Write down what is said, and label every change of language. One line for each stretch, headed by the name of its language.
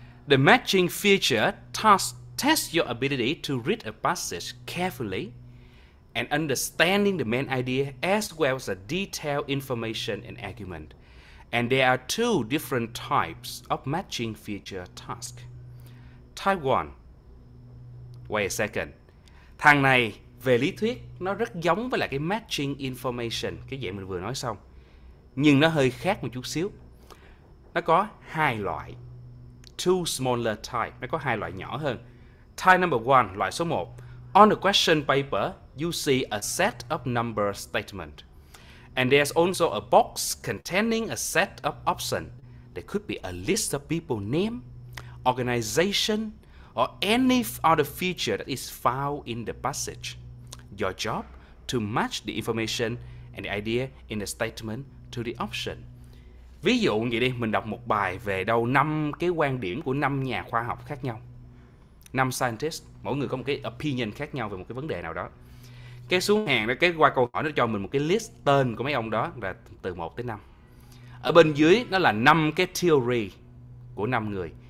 English: The matching feature tests your ability to read a passage carefully and understanding the main idea as well as the detailed information and argument. And there are two different types of matching feature task. Type 1. Wait a second.
Vietnamese: Thằng này về lý thuyết nó rất giống với lại cái matching information, cái dạng mình vừa nói xong. Nhưng nó hơi khác một chút xíu. Nó có hai loại.
English: Two smaller type.
Vietnamese: Nó có hai loại nhỏ hơn. Type number 1, loại số 1.
English: On the question paper, you see a set of number statement. And there's also a box containing a set of options. There could be a list of people name, organization, or any other feature that is found in the passage. Your job to match the information and the idea in the statement to the option.
Vietnamese: Ví dụ vậy đi, mình đọc một bài về đâu năm cái quan điểm của năm nhà khoa học khác nhau. Năm scientist, mỗi người có một cái opinion khác nhau về một cái vấn đề nào đó. Cái xuống hàng đó, cái qua câu hỏi nó cho mình một cái list tên của mấy ông đó là từ 1 tới 5. Ở bên dưới nó là năm cái theory của năm người.